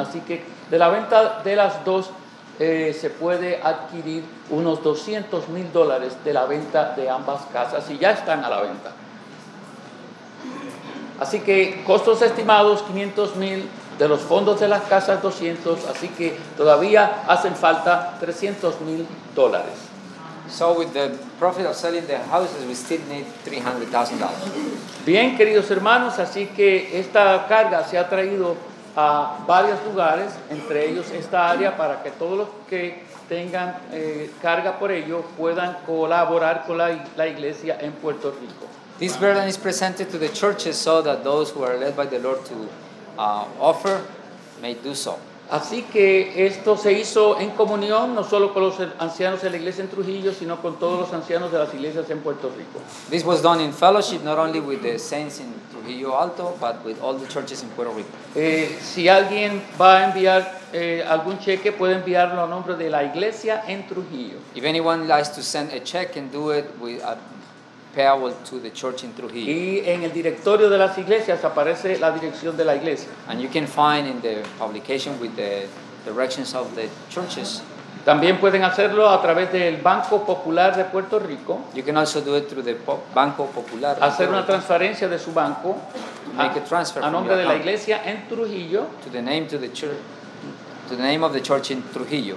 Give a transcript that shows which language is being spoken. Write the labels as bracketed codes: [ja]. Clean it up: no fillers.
[es] Así que de la venta de las dos se puede adquirir unos $200,000 de la venta de ambas casas, y ya están a la venta. Así que costos estimados $500,000, de los fondos de las casas $200,000, así que todavía hacen falta $300,000. [en] So with the profit of selling the houses, we still need $300,000. [es] Bien, queridos hermanos, así que esta carga se ha traído a varios lugares, entre ellos esta área, para que todos los que tengan carga por ello puedan colaborar con la iglesia en Puerto Rico. [en] This burden is presented to the churches so that those who are led by the Lord to offer may do so. [es] Así que esto se hizo en comunión no solo con los ancianos de la iglesia en Trujillo, sino con todos los ancianos de las iglesias en Puerto Rico. [en] This was done in fellowship not only with the saints in Trujillo Alto, but with all the churches in Puerto Rico. [es] Si alguien va a enviar algún cheque, puede enviarlo a nombre de la iglesia en Trujillo. [en] If anyone likes to send a check, can do it with a payable to the church in Trujillo. [es] Y en el directorio de las iglesias aparece la dirección de la iglesia. [en] And you can find in the publication with the directions of the churches. [es] También pueden hacerlo a través del Banco Popular de Puerto Rico. [en] You can also do it through the Banco Popular. [es] Hacer una transferencia de su banco [en] make a transfer [es] a nombre de la iglesia en Trujillo. [en] To the name of the church in Trujillo.